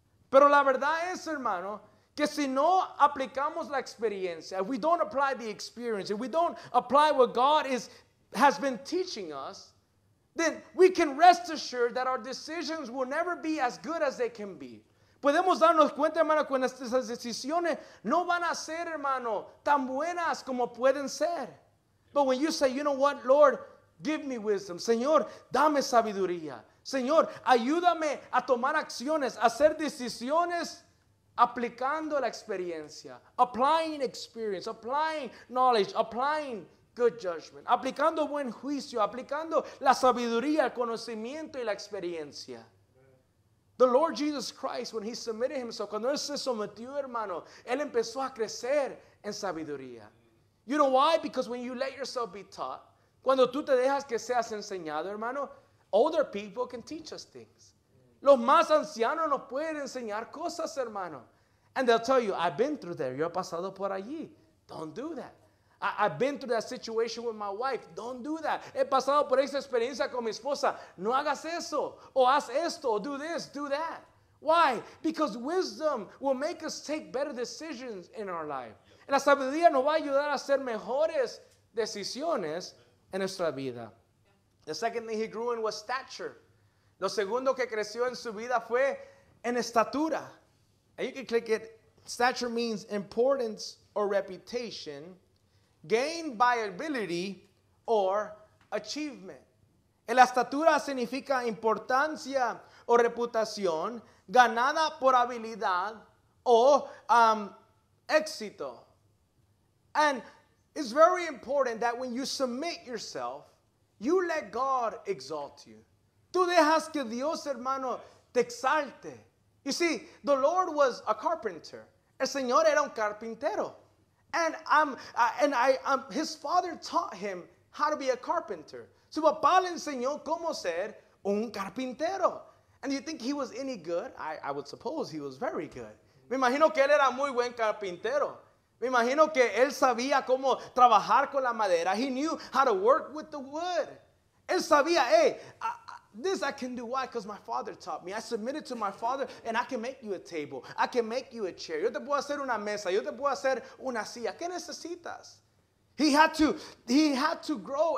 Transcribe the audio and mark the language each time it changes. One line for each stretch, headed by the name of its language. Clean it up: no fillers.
Spanish: Pero la verdad es, hermano, que si no aplicamos la experiencia,
English: if we don't apply the experience, if we don't apply what God has been teaching us, then we can rest assured that our decisions will never be as good as they can be.
Spanish: Podemos darnos cuenta, hermano, que nuestras decisiones no van a ser, hermano, tan buenas como pueden ser.
English: But when you say, you know what, Lord, give me wisdom.
Spanish: Señor, dame sabiduría. Señor, ayúdame a tomar acciones, a hacer decisiones aplicando la experiencia.
English: Applying experience, applying knowledge, applying good judgment.
Spanish: Aplicando buen juicio, aplicando la sabiduría, el conocimiento y la experiencia.
English: The Lord Jesus Christ, when he submitted himself,
Spanish: cuando él se sometió, hermano, él empezó a crecer en sabiduría.
English: You know why? Because when you let yourself be taught,
Spanish: cuando tú te dejas que seas enseñado, hermano,
English: older people can teach us things.
Spanish: Los más ancianos nos pueden enseñar cosas, hermano.
English: And they'll tell you, I've been through there.
Spanish: Yo he pasado por allí.
English: Don't do that. I've been through that situation with my wife. Don't do that.
Spanish: He pasado por esa experiencia con mi esposa. No hagas eso. O haz esto. O
English: do this. Do that. Why? Because wisdom will make us take better decisions in our life.
Spanish: La sabiduría nos va a ayudar a hacer mejores decisiones en nuestra vida.
English: The second thing he grew in was stature.
Spanish: Lo segundo que creció en su vida fue en estatura.
English: And you can click it. Stature means importance or reputation gained by ability or achievement.
Spanish: En la estatura significa importancia o reputación ganada por habilidad o éxito.
English: And it's very important that when you submit yourself, you let God exalt you.
Spanish: Tú dejas que Dios, hermano, te exalte.
English: You see, the Lord was a carpenter.
Spanish: El Señor era un carpintero.
English: And his father taught him how to be a carpenter.
Spanish: Su papá le enseñó cómo ser un carpintero.
English: And you think he was any good? I would suppose he was very good.
Spanish: Me imagino que él era muy buen carpintero. Me imagino que él sabía cómo trabajar con la madera.
English: He knew how to work with the wood.
Spanish: Él sabía,
English: hey, this I can do. Why? Because my father taught me. I submitted to my father, and I can make you a table. I can make you a chair.
Spanish: Yo te puedo hacer una mesa. Yo te puedo hacer una silla. ¿Qué necesitas?
English: He had to grow.